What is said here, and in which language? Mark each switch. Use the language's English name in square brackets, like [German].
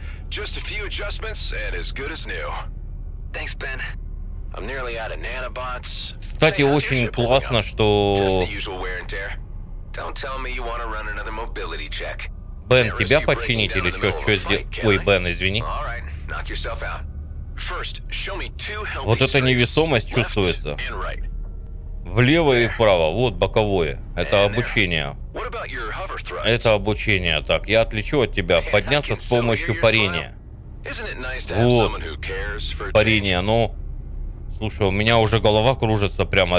[English] Just a few adjustments and as good as new. Thanks, Ben. I'm nearly out of nanobots. [Russian] Кстати, очень классно, что... [English] Don't tell me you want to run another mobility check. [Russian] Бен, тебя починить или что сделать? Ой, Бен, извини. [English] All right, knock yourself out. First, show me two healthy strikes. [Russian] Вот эта невесомость чувствуется. Влево и вправо. Вот боковое. Это обучение. Это обучение. Так, я отличу от тебя. Подняться с помощью парения. Вот. Парение. Ну, слушай, у меня уже голова кружится прямо.